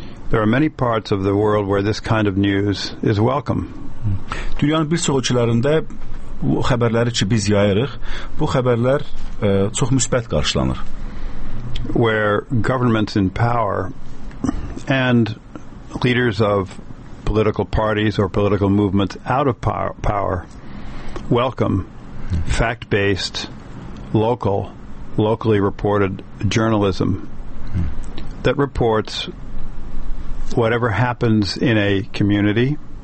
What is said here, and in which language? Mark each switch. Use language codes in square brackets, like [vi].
[en] There are many parts of the world where this kind of news is welcome. [az] Dünyanın bir çox ölkələrində bu xəbərləri ki, biz yayırıq, bu xəbərlər çox müsbət qarşılanır. [en] Where governments in power and leaders of political parties or political movements out of power welcome fact-based, locally reported journalism that reports whatever happens in a community.